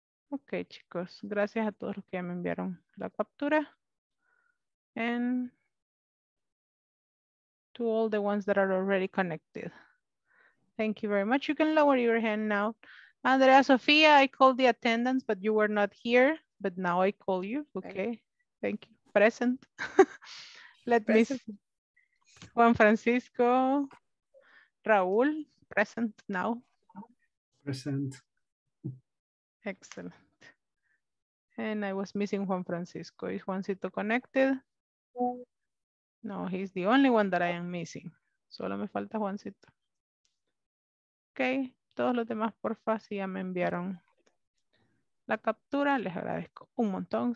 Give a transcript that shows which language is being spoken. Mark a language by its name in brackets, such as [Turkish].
[Spanish] Ok, chicos, gracias a todos los que ya me enviaron la captura. [English] And to all the ones that are already connected. Thank you very much. You can lower your hand now. Andrea Sofia, I called the attendance, but you were not here. But now I call you. Okay, thank you. Present. Juan Francisco, Raúl, present now. Present. Excellent. And I was missing Juan Francisco. Is Juancito connected? No, he's the only one that I am missing. [Spanish] Solo me falta Juancito. Okay, todos los demás, porfa, si ya me enviaron la captura, les agradezco un montón.